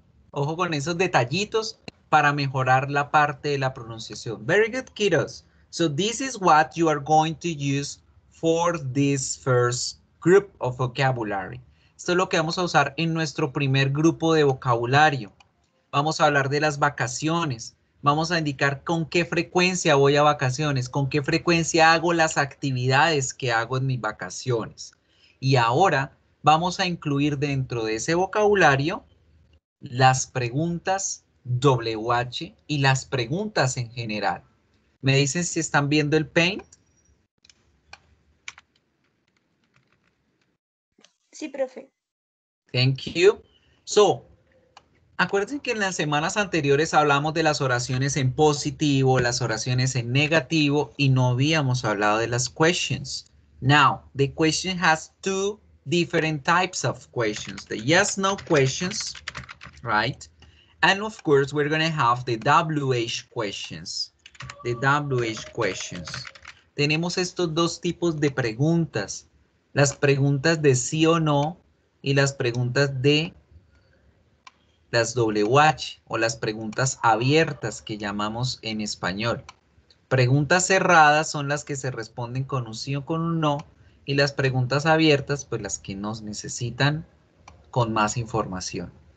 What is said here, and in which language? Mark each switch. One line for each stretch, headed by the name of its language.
Spanish: Ojo con esos detallitos para mejorar la parte de la pronunciación.
English: Very good, kiddos. So this is what you are going to use for this first group of vocabulary.
Spanish: Esto es lo que vamos a usar en nuestro primer grupo de vocabulario. Vamos a hablar de las vacaciones. Vamos a indicar con qué frecuencia voy a vacaciones, con qué frecuencia hago las actividades que hago en mis vacaciones. Y ahora vamos a incluir dentro de ese vocabulario las preguntas WH y las preguntas en general. ¿Me dicen si están viendo el Paint? Sí, profe.
English: Thank you.
Spanish: So, acuérdense que en las semanas anteriores hablamos de las oraciones en positivo, las oraciones en negativo y no habíamos hablado de las questions.
English: Now, the question has two different types of questions. The yes-no questions, right? And of course, we're going to have the WH questions. The WH questions.
Spanish: Tenemos estos dos tipos de preguntas. Las preguntas de sí o no y las preguntas de las WH o las preguntas abiertas que llamamos en español. Preguntas cerradas son las que se responden con un sí o con un no y las preguntas abiertas pues las que nos necesitan con más información.